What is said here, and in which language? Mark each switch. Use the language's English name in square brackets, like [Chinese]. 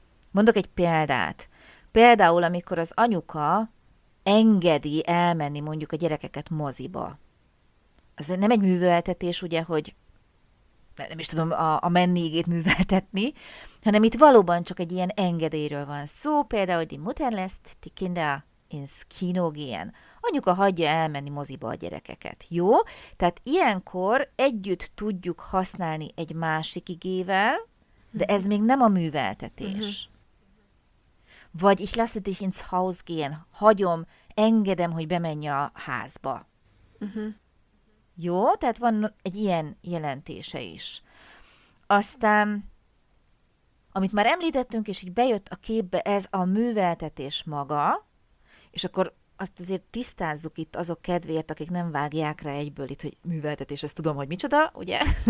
[Hungarian] Mondok egy példát. Például, amikor az anyuka engedi elmenni mondjuk a gyerekeket moziba. Ez nem egy műveltetés, ugye, hogy nem is tudom a menni igét műveltetni, hanem itt valóban csak egy ilyen engedélyről van szó. [German] Például, die Mutter lässt die Kinder ins Kino gehen. [Hungarian] Anyuka hagyja elmenni moziba a gyerekeket. Jó? Tehát ilyenkor együtt tudjuk használni egy másik igével, de ez még nem a műveltetés. Vagy [German] ich lasse dich ins Haus gehen. [Hungarian] Hagyom, engedem, hogy bemenj a házba. Jó? Tehát van egy ilyen jelentése is. Aztán, amit már említettünk, és így bejött a képbe, ez a műveltetés maga, és akkor azt azért tisztázzuk itt azok kedvéért, akik nem vágják rá egyből itt, hogy műveltetés, ezt tudom, hogy micsoda, ugye?